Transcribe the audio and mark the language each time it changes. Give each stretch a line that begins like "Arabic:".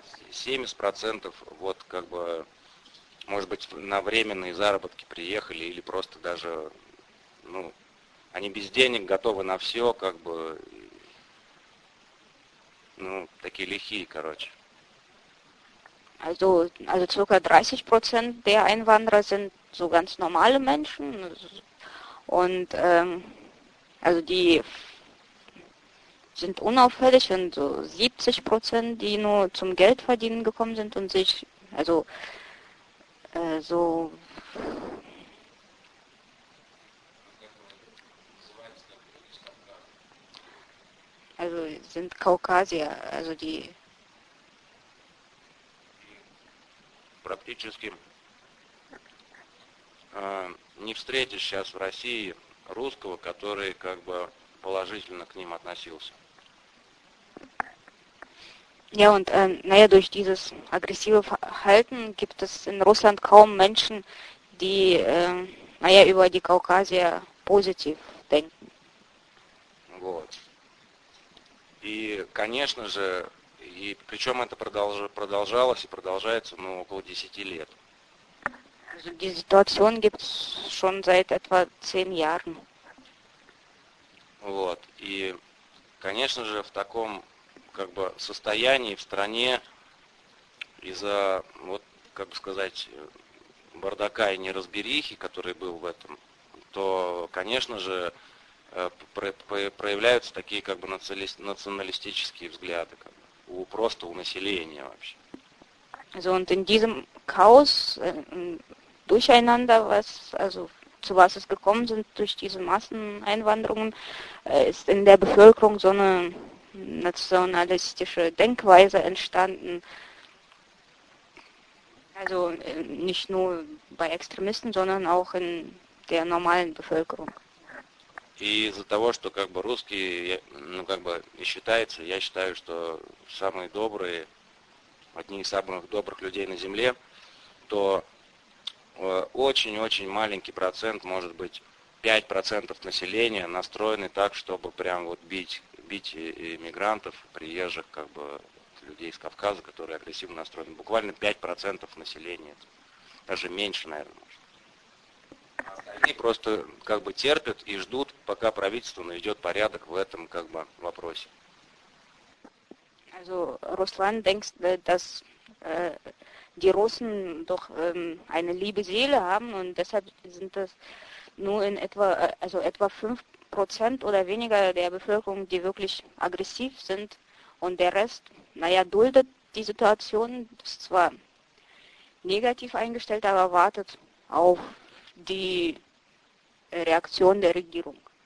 Russian: 70% вот как бы, может быть, на временные заработки приехали, или просто даже, ну, они без денег, готовы на все, как бы, ну, такие лихие, короче.
German: Also ca. 30% der Einwanderer sind so ganz normale Menschen, und, also die sind unauffällig, und so 70%, die nur zum Geldverdienen gekommen sind und sich, also so also sind Kaukasier, also die
Russian: практически не встретишь сейчас в России русского, который как бы положительно к ним относился.
German: Ja, und naja, durch dieses aggressive Verhalten gibt es in Russland kaum Menschen, die naja, über die Kaukasier positiv denken.
Russian: Вот. И, конечно же, и причем это продолжалось и продолжается, ну, около 10 лет.
German: Also die Situation gibt es schon seit etwa 10 Jahren.
Russian: Вот. И, конечно же, в таком как бы состоянии в стране из-за, вот, как бы сказать, бардака и неразберихи, который был в этом, то, конечно же, проявляются такие как бы националистические взгляды, как бы, просто у населения вообще.
German: Also, und in diesem Chaos, durcheinander, was, also, zu was es gekommen sind, durch diese Masseneinwanderungen, ist in der Bevölkerung so eine nationalistische Denkweise entstanden. Also nicht nur bei Extremisten, sondern auch in der normalen Bevölkerung.
Russian: И из-за того, что как бы русские, ну как бы и считается, я считаю, что самые добрые, одни из самых добрых людей на Земле, то очень-очень маленький процент, может быть, 5% населения настроены так, чтобы прям вот бить иммигрантов, приезжих, как бы, людей из Кавказа, которые агрессивно настроены. Буквально 5% населения. Даже меньше, наверное, может. Они просто как бы терпят и ждут, пока правительство наведет порядок в этом как бы вопросе.
German: Also, Руслан, denkst, dass die Russen doch eine liebe Seele haben, und deshalb sind das nur in etwa 5% oder weniger der Bevölkerung, die wirklich aggressiv sind, und der Rest, naja, duldet die Situation, ist zwar negativ eingestellt, aber wartet auf die Reaktion der Regierung.